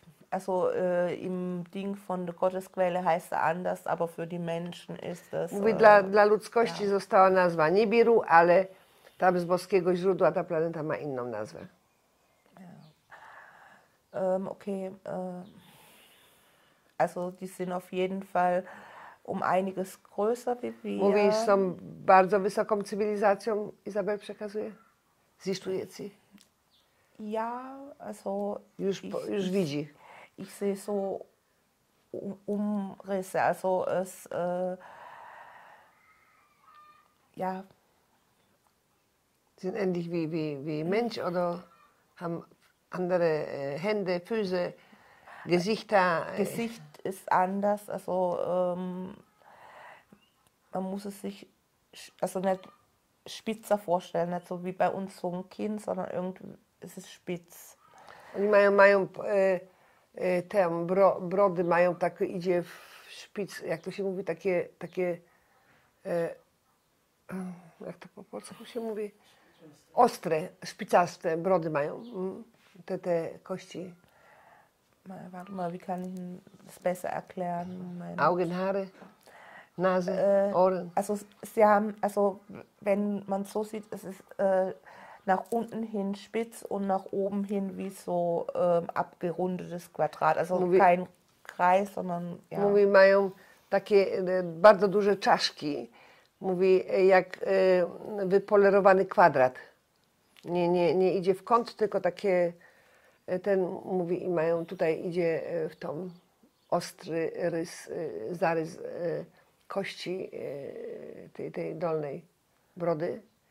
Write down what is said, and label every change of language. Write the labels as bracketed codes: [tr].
[de] Also im Ding von der Gottesquelle heißt er anders, aber für die Menschen ist das... [pl] Mówi, dla ludzkości ja. Została nazwa Nibiru, ale tam z boskiego źródła ta planeta ma inną nazwę. [de] Okay. Also die sind auf jeden Fall um einiges größer wie wir. [pl] Mówi, z tą bardzo wysoką cywilizacją, Izabel przekazuje? [de] Siehst du jetzt sie? Ja, also... [pl] Już, ich, już ich, widzi. [de] Ich sehe so Umrisse, also es... ja... Sind ähnlich wie Mensch oder haben andere Hände, Füße, Gesichter? Gesicht ist anders, also man muss es sich also nicht spitzer vorstellen, nicht so wie bei uns so ein Kind, sondern irgendwie ist es spitz. [pl] Oni mają tam brody mają tak idzie w spitz, jak to się mówi, takie jak to po polsku się mówi? Ostre, szpicaste brody mają, te kości. [de] Warte mal, wie kann ich das besser erklären? Moment. Augen, Haare, Nase, Ohren. Also, sie haben, also wenn man so sieht, es ist nach unten hin spitz und nach oben hin wie so abgerundetes Quadrat. Also mówi, kein Kreis, sondern ja. [pl] Mówi, mają takie bardzo duże czaszki. Mówi, jak wypolerowany kwadrat. Nie idzie w kąt, tylko takie... Ten mówi i mają tutaj idzie w tą ostry rys, zarys kości tej dolnej brody.